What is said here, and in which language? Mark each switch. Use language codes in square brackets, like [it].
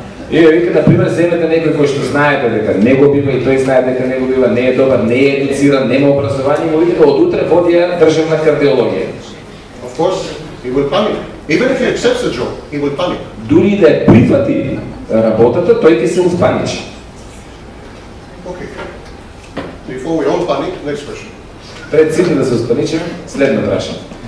[mk] Вика, например, земете некој кој што знаете дека не го бива и тој знае дека не го бива, не е добар, не е едуциран, нема образование, му видите, од утре води ја државна кардиологија. [en] Of course, he will panic. Even if he accepts the job, he will panic. [mk] Дури да ја прифати работата, тој ќе се успаничи. [en] Okay. Before we all panic, next question. [mk] Пред сите да се успаничим, следно прашање.